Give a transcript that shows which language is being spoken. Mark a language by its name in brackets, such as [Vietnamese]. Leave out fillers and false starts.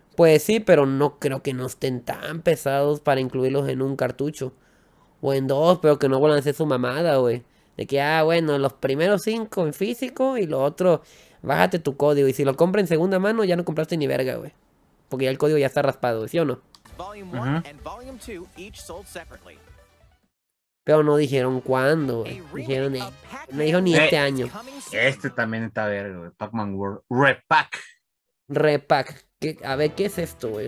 [Spanish] Pues sí, pero no creo que no estén tan pesados para incluirlos en un cartucho. O en dos, pero que no vuelvan a hacer su mamada, güey. De que, bueno, los primeros 5 en físico y lo otro, bájate tu código. Y si lo compras en segunda mano, ya no compraste ni verga, güey. Porque ya el código ya está raspado, ¿sí o no? [English] Volume 1 uh-huh. and Volume 2 each sold separately. [Spanish] Pero no dijeron cuándo, güey. Dijeron, no dijo ni este año. Este también está verga, güey. [English] Pac-Man World. Repack. Repack. [Spanish] ¿Qué, a ver, ¿qué es esto, güey?